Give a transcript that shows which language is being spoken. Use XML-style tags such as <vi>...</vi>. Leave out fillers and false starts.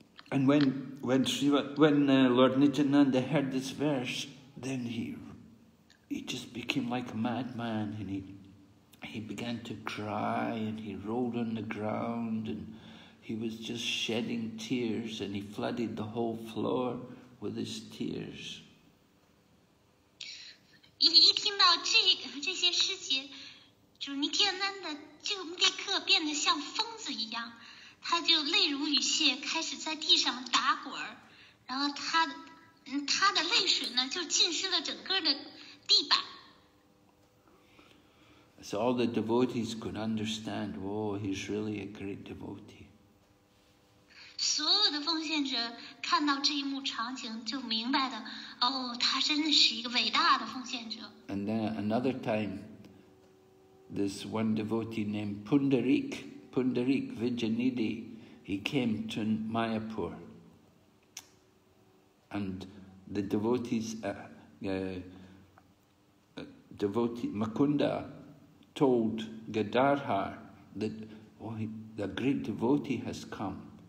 <en>And when Lord Nityananda heard this verse, then he just became like a madman, and he began to cry, and he rolled on the ground, and he was just shedding tears, and he flooded the whole floor with his tears.</en> <zh>一听到这些诗节，主尼天南的就立刻变得像疯子一样。他就泪如雨泻，开始在地上打滚，然后他的泪水呢就浸湿了整个的地板。</zh> <en>So all the devotees could understand, whoa, he's really a great devotee.</en> <zh>所有的奉献者看到这一幕场景就明白了，哦，他真的是一个伟大的奉献者。</zh> <en>And then another time, this one devotee named Pundarik Vijayanidhi, he came to Mayapur, and the devotees, devotee Mukunda, told Gadarhar that the great devotee has come.</en>